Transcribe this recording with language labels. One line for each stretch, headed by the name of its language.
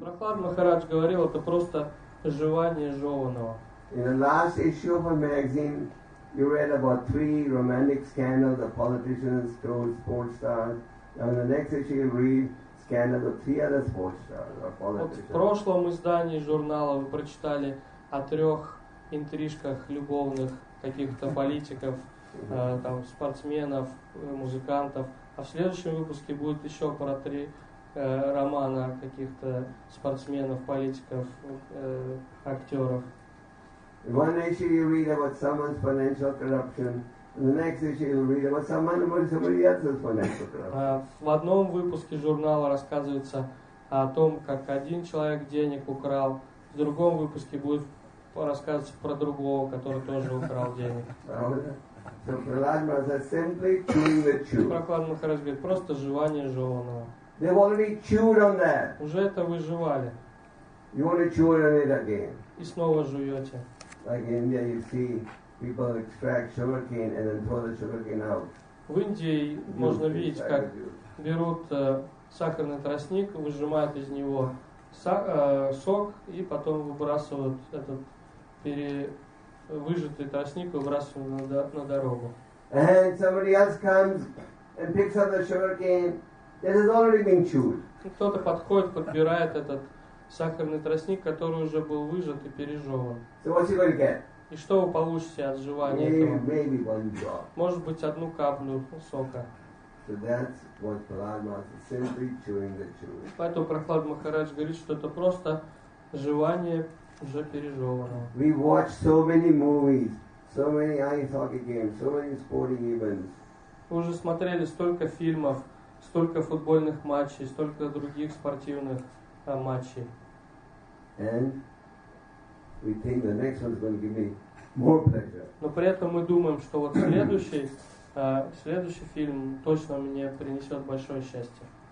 Russian: Прохлад Махарадж говорил, это просто жевание жеванного.
English: In the last issue of a magazine, you read about three romantic scandals of politicians, crows, sports stars. And in the next issue, you read scandals of three other sports stars or politicians.
Russian: Вот в прошлом издании журнала вы прочитали о трех интрижках любовных каких-то политиков, там спортсменов, музыкантов. А в следующем выпуске будет еще про три романа каких-то спортсменов, политиков, актеров.
English: In one issue you read about someone's financial corruption, in the next issue you read about somebody else's financial corruption.
Russian: В одном выпуске журнала рассказывается о том, как один человек денег украл, в другом выпуске будет рассказываться про другого, который тоже украл денег.
English: So Prahlad Maharaj said, simply chewing the chew.
Russian: Прохлад Махарадж говорит, просто жевание жеванного.
English: They've already chewed on that.
Russian: Уже это вы жевали.
English: You want to chew on it again.
Russian: И снова жуете.
English: Like in India, you see people extract sugar cane and then throw the sugar cane out.
Russian: В Индии можно видеть, как берут сахарный тростник, выжимают из него сок и потом выбрасывают этот выжатый тростник и выбрасывают на дорогу.
English: And somebody else comes and picks up the sugar cane that has already been chewed.
Russian: Кто-то подходит, подбирает этот сахарный тростник, который уже был выжат и пережеван.
English: So what's he going to get?
Russian: И что вы получите от жевания
English: maybe,
Russian: этого?
English: Maybe one drop.
Russian: Может быть, одну каплю сока.
English: So that's what Prahlad Maharaj is simply chewing the chew.
Russian: Поэтому Прохлад Махарадж говорит, что это просто жевание уже пережеванного.
English: We watch so many movies, so many ice hockey games, so many sporting events.
Russian: Мы уже смотрели столько фильмов, столько футбольных матчей, столько других спортивных матчей.
English: And we think the next one's going to give me more pleasure.
Russian: Но при этом мы думаем, что вот следующий фильм точно мне принесет большое счастье.